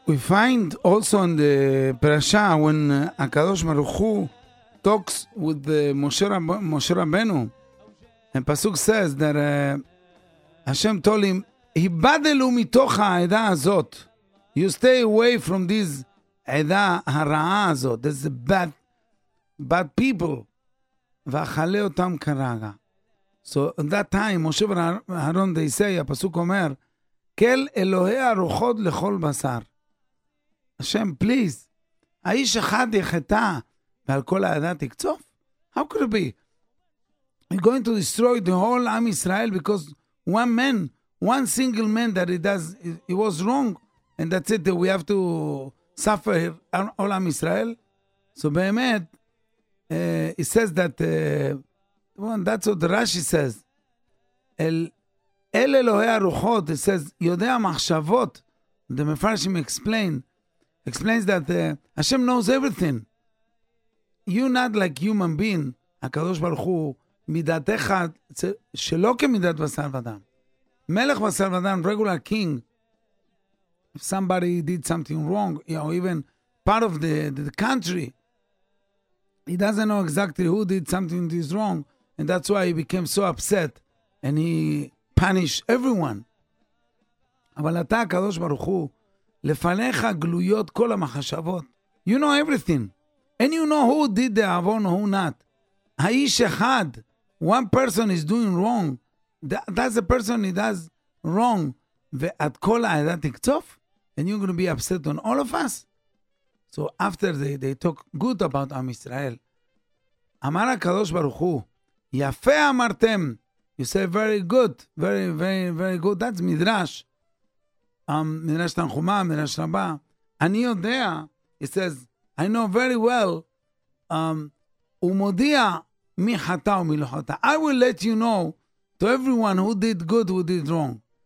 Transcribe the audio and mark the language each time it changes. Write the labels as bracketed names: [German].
[English] find also in the parasha when HaKadosh Baruch Hu talks with the Moshe Rabbeinu and Pasuk says that Hashem told him [Hebrew] Hibadelu mitocha ha'eda hazot [English] you stay away from this [Hebrew] eda hara'a hazot [English] this is a bad people [Hebrew] v'achale otam karaga [English] So in that time, Moshe Aaron, they say, [Hebrew] הפסוק אומר, כל אלוהי הרוחות לכל בשר. השם, [English] please, [Hebrew] האיש אחד יחטא ועל כל העדה תקצוף? [English] How could it be? You're going to destroy the whole Am Israel because one man, one single man that he does, he was wrong, and that's it, we have to suffer all Am Israel? So באמת, it says that, well, that's what Rashi says, [Hebrew] אל אלוהי הרוחות, [English] it says, [Hebrew] יודע מחשבות, [English] the Mefarshim explains that Hashem knows everything. You're not like human being, [Hebrew] הקדוש ברוך הוא, מידת אחד, שלא כמידת בשר ודם. מלך בשר ודם, [English] regular king, if somebody did something wrong, you know, even part of the country, he doesn't know exactly who did something that is wrong, and that's why he became so upset, and he punished everyone. [Hebrew] אבל אתה, הקדוש ברוך הוא, לפניך גלויות כל המחשבות. [English] You know everything. And you know who did the avon, who not. [Hebrew] האיש אחד, [English] one person is doing wrong. That's the person he does wrong. [Hebrew] ואת כל העדה תקצוף? [English] And you're going to be upset on all of us? So after they talk good about Am Israel, [Hebrew] אמר הקדוש ברוך הוא, יפה אמרתם. [English] You say very good, very, very, very good. That's Midrash. Midrash Tanchuma, Midrash Rabba. [Hebrew] אני יודע, [English] he says, I know very well, I will let you know to everyone who did good, who did wrong.